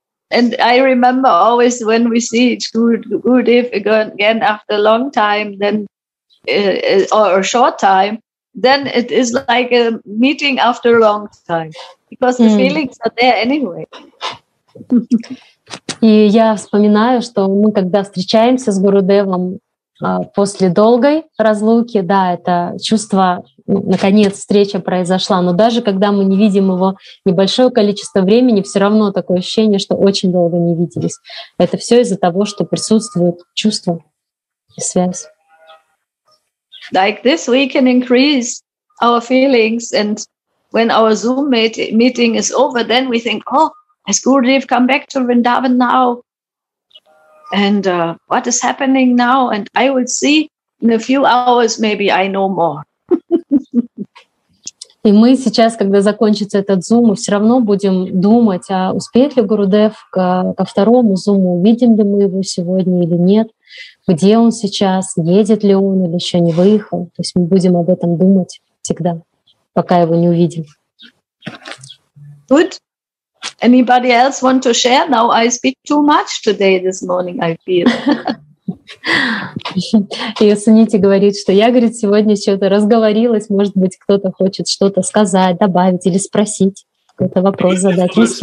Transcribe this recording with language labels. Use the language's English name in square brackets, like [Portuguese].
[Russian] And I remember always when we see each Gurudev again after a long time, then or a short time. Then it is like a meeting after a long time, because the feelings are there anyway. И я вспоминаю, что мы когда встречаемся с Гурудевом после долгой разлуки, да, это чувство, ну, наконец встреча произошла. Но даже когда мы не видим его небольшое количество времени, все равно такое ощущение, что очень долго не виделись. Это все из-за того, что присутствует чувство и связь. [English] Like this, we can increase our feelings, and when our Zoom meeting is over, then we think, "Oh, has Gurudev come back to Vrindavan now? And what is happening now?" And I will see in a few hours. Maybe I know more. [Russian] И мы сейчас, когда закончится этот Zoom, мы все равно будем думать, а успеет ли Гурудев ко второму Zoom? Увидим ли мы его сегодня или нет? Где он сейчас, едет ли он или еще не выехал. То есть мы будем об этом думать всегда, пока его не увидим. [English] Good. Anybody else want to share? Now I speak too much today, this morning, I feel. [Russian] И Сунити говорит, что я, говорит, сегодня что-то разговорилась, может быть, кто-то хочет что-то сказать, добавить или спросить, какой-то вопрос задать.